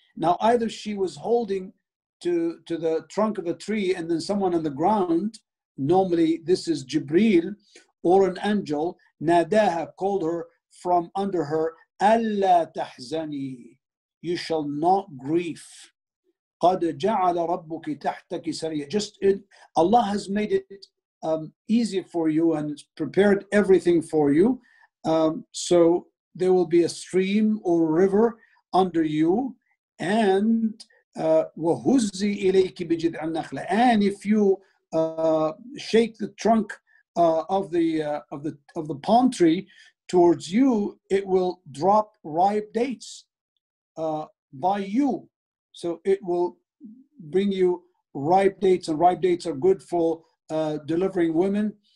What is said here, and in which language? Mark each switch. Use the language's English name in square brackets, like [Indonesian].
[English] Now, either she was holding to the trunk of a tree, and then someone on the ground, normally this is Jibril or an angel, Nadaha, called her from under her, Alla tahzani, you shall not grieve. [Arabic] قَدْ جَعَلَ رَبُّكِ تَحْتَكِ سَرِيَةً. [English] Just it, Allah has made it easy for you and prepared everything for you. So there will be a stream or river under you. [Arabic] And وَهُزِّي إِلَيْكِ بِجِذْعَ النَّخْلَ. [English] And if you shake the trunk of the palm tree towards you, it will drop ripe dates by you. So it will bring you ripe dates, and ripe dates are good for delivering women.